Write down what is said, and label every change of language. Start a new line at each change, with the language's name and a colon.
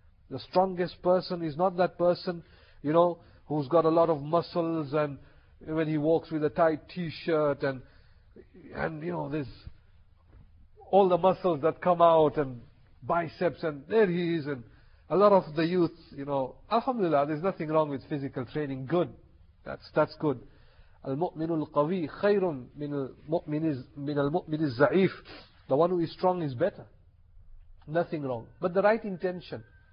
English: The strongest person is not that person, you know, who's got a lot of muscles and when he walks with a tight t-shirt and you know, there's all the muscles that come out and biceps and there he is. And a lot of the youth, you know, alhamdulillah, there's nothing wrong with physical training. Good. That's good.
Arabic: المؤمن القوي خير من المؤمن الزعيف.
English: The one who is strong is better. Nothing wrong. But the right intention.